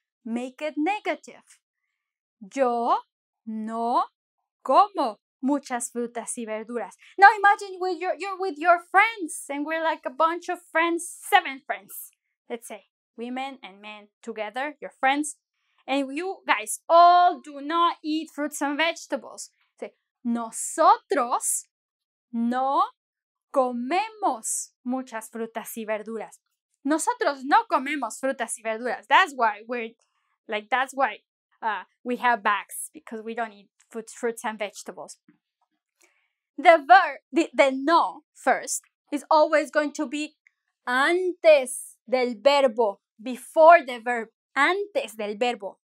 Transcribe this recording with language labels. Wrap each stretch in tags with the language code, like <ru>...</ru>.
<en>Make it negative.</en> <es>Yo no como muchas frutas y verduras.</es> <en>Now imagine you're with your friends and we're like a bunch of friends, seven friends. Let's say women and men together, your friends. And you guys all do not eat fruits and vegetables.</en> <es>Say, nosotros no comemos muchas frutas y verduras. Nosotros no comemos frutas y verduras.</es> <en>That's why we're like, that's why we have bags, because we don't eat fruits and vegetables. The verb, the no first, is always going to be</en> <es>antes del verbo,</es> <en>before the verb, antes del verbo.</en>